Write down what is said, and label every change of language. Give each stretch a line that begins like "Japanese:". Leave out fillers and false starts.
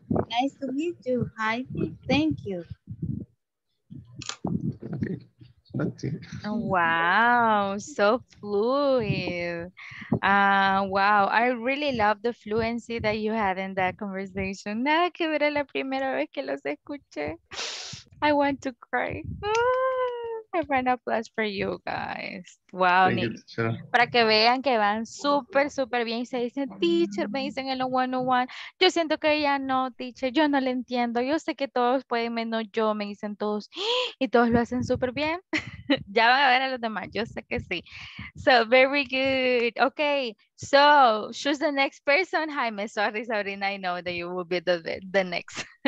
English: Nice to meet you. Hi. Thank you. Wow, so fluid. Wow, I really love the fluency that you had in that conversation.
Spanish: Nada que ver a la primera vez que los escuché.
English: I want to cry. A round of applause for you guys. Wow, Nick.
Spanish: Para que vean que van súper, súper bien. Y se dicen, teacher, me dicen en los 101. Yo siento que ella no, teacher, yo no le entiendo. Yo sé que todos pueden menos yo, me dicen todos. Y todos lo hacen súper bien. Ya van a ver a los demás, yo sé que sí.
English: So, very good. Okay, so, she's the next person, Jaime. Sorry, Sabrina, I know that you will be the next.